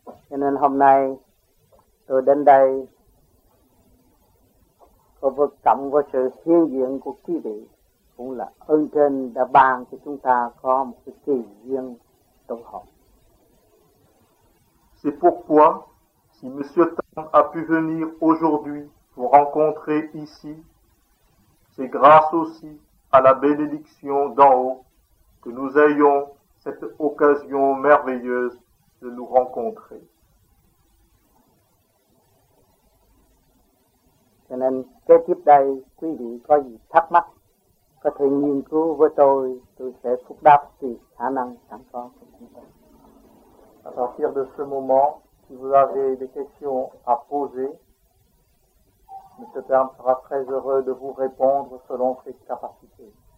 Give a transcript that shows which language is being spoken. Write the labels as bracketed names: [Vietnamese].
[Vietnamese] Cho nên hôm nay tôi đến đây có vô cộng với sự hiện diện của quý vị cũng là ơn trên đã ban cho chúng ta có một cái kỳ duyên tốt hợp. [French] C'est pourquoi si Monsieur Tam a pu venir aujourd'hui vous rencontrer ici, c'est grâce aussi à la bénédiction d'en haut que nous ayons cette occasion merveilleuse de nous rencontrer. [Vietnamese] Cho nên kế tiếp đây quý vị có gì thắc mắc có thể nghiên cứu với tôi sẽ phúc đáp tùy khả năng sẵn có. [French] À partir de ce moment, si vous avez des questions à poser, M. Tam sera très heureux de vous répondre selon ses capacités.